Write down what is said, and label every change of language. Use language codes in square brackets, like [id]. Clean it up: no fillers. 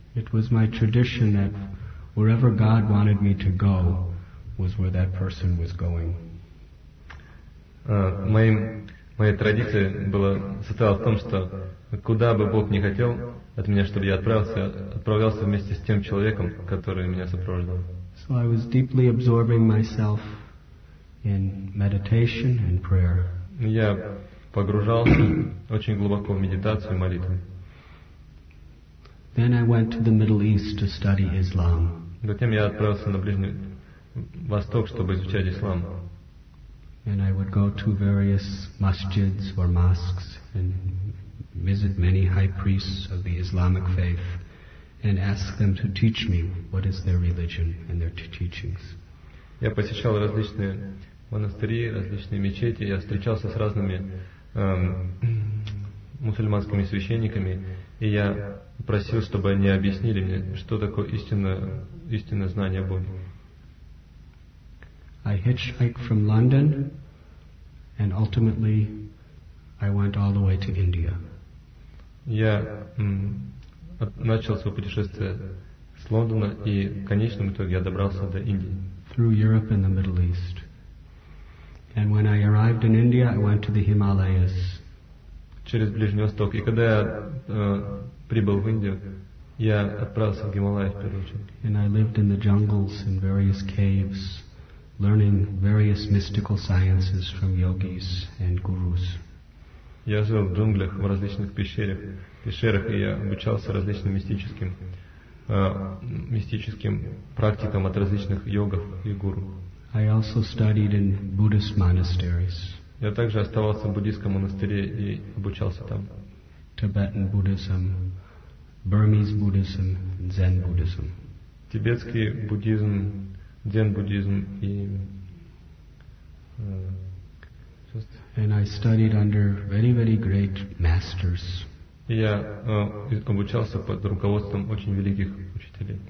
[en] It was my tradition that wherever God wanted me to go, was where that person was going. [ru] Моим Моя традиция была, состояла в том, что куда бы Бог ни хотел от меня, чтобы я отправился, отправлялся вместе с тем человеком, который меня сопровождал. [en] So I was deeply absorbing myself in meditation and prayer. [ru] Я погружался очень глубоко в медитацию и молитву. [en] Then I went to the Middle East to study Islam. [ru] Затем я отправился на Ближний Восток, чтобы изучать ислам. [en] And I would go to various masjids or mosques and visit many high priests of the Islamic faith and ask them to teach me what is their religion and their teachings. [ru] Я посещал различные монастыри, различные мечети, я встречался с разными мусульманскими священниками, и я просил, чтобы они объяснили мне, что такое истинное знание Бога. [en] I hitchhiked from London, and ultimately, I went all the way to India. [ru] Я начал свое путешествие с Лондона, и в конечном итоге я добрался до Индии. [en] Through Europe and the Middle East. And when I arrived in India, I went to the Himalayas. [ru] Через Ближний Восток. И когда я прибыл в Индию, я отправился в Гималаи в первую очередь. [en] And I lived in the jungles in various caves, learning various mystical sciences from yogis and gurus. [ru] Я жил в джунглях, в различных пещерах, и я обучался различным мистическим практикам от различных йогов и гуру. [en] I also studied in Buddhist monasteries. [ru] Я также оставался в буддийском монастыре и обучался там. [en] Tibetan Buddhism, Burmese Buddhism, and Zen Buddhism. [ru] Тибетский буддизм, дзен-буддизм и... [en] And I studied under very, very great masters. [ru] Я обучался под руководством очень великих учителей.